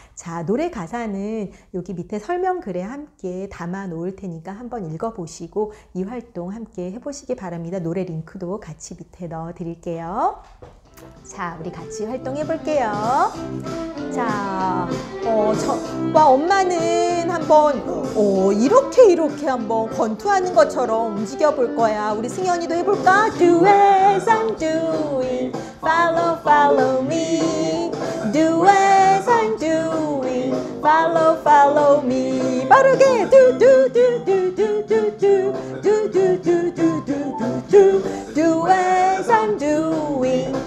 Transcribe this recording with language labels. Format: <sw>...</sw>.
<ko>자, 노래 가사는 여기 밑에 설명글에 함께 담아 놓을 테니까 한번 읽어보시고 이 활동 함께 해보시기 바랍니다. 노래 링크도 같이 밑에 넣어드릴게요. 자, 우리 같이 활동해 볼게요. 자, 와, 엄마는 한번 이렇게 한번 권투하는 것처럼 움직여 볼 거야. 우리 승현이도 해볼까?</ko> <en>Do as I'm doing, follow, follow me. Do as I'm doing, follow, follow me. 빠르게 do do do do do do do do do do do do do do do as I'm doing.</en>